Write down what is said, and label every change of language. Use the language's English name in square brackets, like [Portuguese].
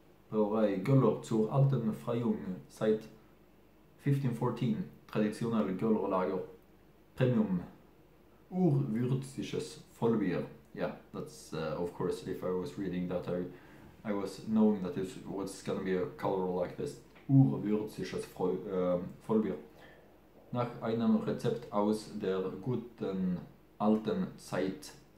[German] Brauerei Göller zur Alten Freyung seit 1514, traditionelle Göller lager, premium urwürzisches Vollbier. [English] Yeah, that's of course, if I was reading that, I was knowing that it was gonna be a color like this. [German] Urwürzisches Vollbier. Nach einem Rezept aus der guten alten Zeit.